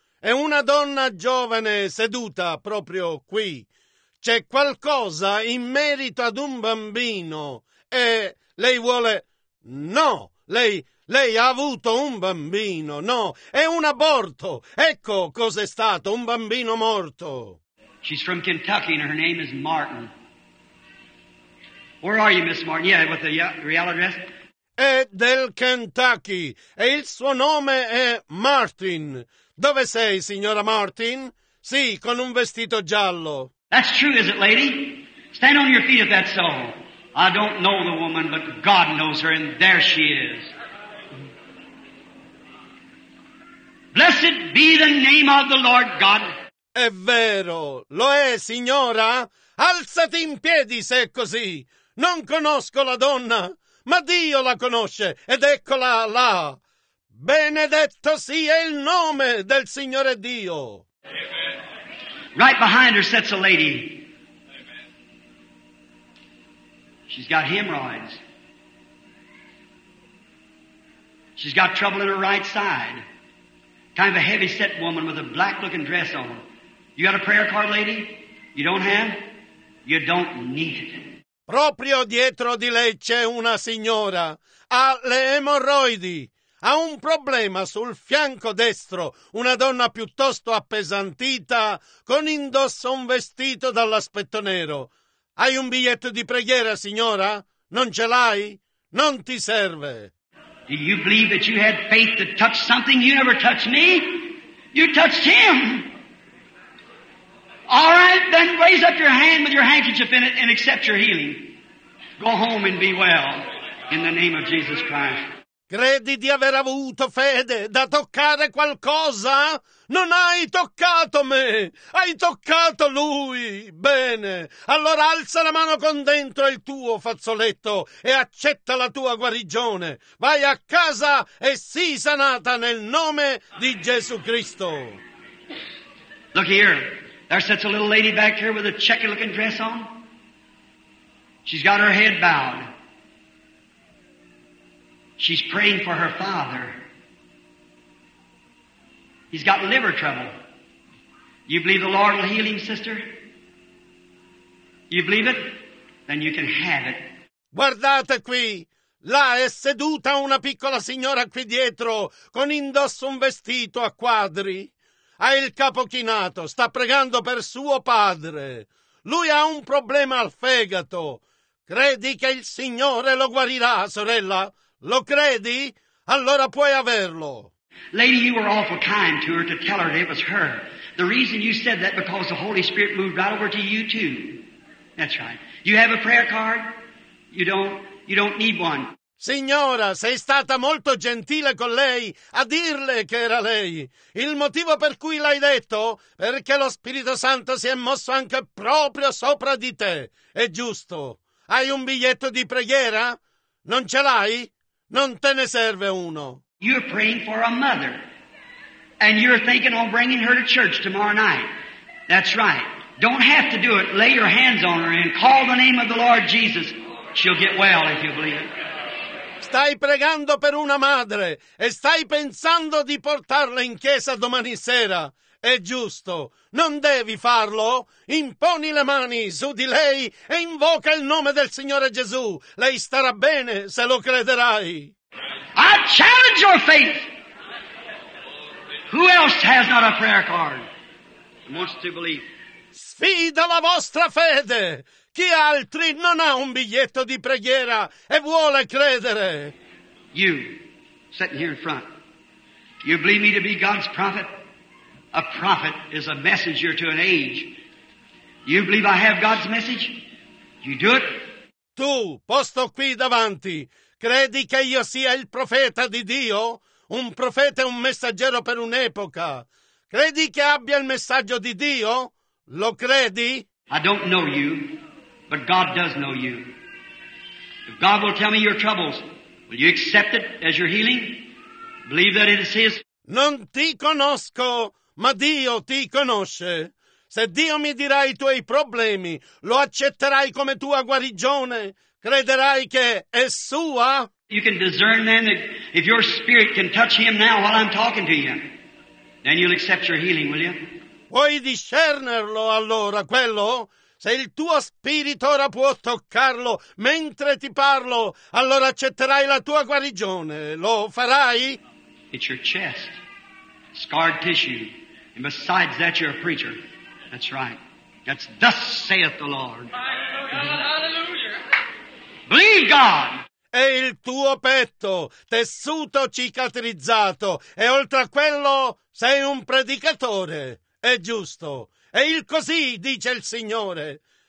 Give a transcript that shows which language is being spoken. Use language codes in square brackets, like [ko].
[it] È una donna giovane seduta proprio qui. C'è qualcosa in merito ad un bambino. E lei vuole. No, lei. Lei ha avuto un bambino, no, è un aborto. Ecco cos'è stato, un bambino morto. [en] She's from Kentucky and her name is Martin. Where are you, Miss Martin? Yeah, with the real address? [it] È del Kentucky e il suo nome è Martin. Dove sei, signora Martin? Sì, con un vestito giallo. [en] That's true, is it, lady? Stand on your feet if that's so. I don't know the woman, but God knows her and there she is. Blessed be the name of the Lord God. [it] È vero, lo è, signora. Alzati in piedi se è così. Non conosco la donna, ma Dio la conosce ed eccola là. Benedetto sia il nome del Signore Dio. Amen. [en] Right behind her sits a lady. Amen. She's got hemorrhoids. She's got trouble in her right side. Kind of a heavy-set woman with a black-looking dress on. You got a prayer card, lady? You don't have? You don't need it. [it] Proprio dietro di lei c'è una signora. Ha le emorroidi. Ha un problema sul fianco destro. Una donna piuttosto appesantita, con indosso un vestito dall'aspetto nero. Hai un biglietto di preghiera, signora? Non ce l'hai? Non ti serve. [en] Do you believe that you had faith to touch something? You never touched me. You touched him. All right, then raise up your hand with your handkerchief in it and accept your healing. Go home and be well in the name of Jesus Christ. [it] Credi di aver avuto fede da toccare qualcosa? Non hai toccato me, hai toccato lui. Bene, allora alza la mano con dentro il tuo fazzoletto e accetta la tua guarigione. Vai a casa e sii sanata nel nome di Gesù Cristo. [en] Look here, there sits a little lady back here with a checkered looking dress on. She's got her head bowed. She's praying for her father. He's got liver trouble. You believe the Lord will heal him, sister? You believe it? Then you can have it. [it] Guardate qui. Là è seduta una piccola signora qui dietro con indosso un vestito a quadri. Ha il capo chinato. Sta pregando per suo padre. Lui ha un problema al fegato. Credi che il Signore lo guarirà, sorella? Lo credi? Allora puoi averlo. [en] Lady, you were awful kind to her to tell her that it was her. The reason you said that because the Holy Spirit moved right over to you too. That's right. You have a prayer card? You don't need one. [it] Signora, sei stata molto gentile con lei a dirle che era lei. Il motivo per cui l'hai detto? Perché lo Spirito Santo si è mosso anche proprio sopra di te. È giusto. Hai un biglietto di preghiera? Non ce l'hai? Non te ne serve uno. [en] You're praying for a mother. And you're thinking on bringing her to church tomorrow night. That's right. Don't have to do it. Lay your hands on her and call the name of the Lord Jesus. She'll get well if you believe it. [it] Stai pregando per una madre e stai pensando di portarla in chiesa domani sera. È giusto. Non devi farlo. Imponi le mani su di lei e invoca il nome del Signore Gesù. Lei starà bene se lo crederai. [en] I challenge your faith. Who else has not a prayer card? Wants to believe. [it] Sfida la vostra fede. Chi altri non ha un biglietto di preghiera e vuole credere? [en] You, sitting here in front. You believe me to be God's prophet? A prophet is a messenger to an age. You believe I have God's message? You do it? [it] Tu, posto qui davanti, credi che io sia il profeta di Dio? Un profeta è un messaggero per un'epoca. Credi che abbia il messaggio di Dio? Lo credi? [en] I don't know you, but God does know you. If God will tell me your troubles, will you accept it as your healing? Believe that it is His? [it] Non ti conosco. Ma Dio ti conosce. Se Dio mi dirà i tuoi problemi, lo accetterai come tua guarigione? Crederai che è sua? [en] You can discern then that if your spirit can touch him now while I'm talking to you, then you'll accept your healing, will you? [it] Puoi discernerlo allora, quello? Se il tuo spirito ora può toccarlo mentre ti parlo, allora accetterai la tua guarigione. Lo farai? [en] It's your chest. Scarred tissue. And besides that, you're a preacher. That's right. That's thus saith the Lord. Hallelujah. Believe God. [it] È il tuo petto, tessuto cicatrizzato. E oltre a quello, sei un predicatore. È giusto. È il così, dice il Signore.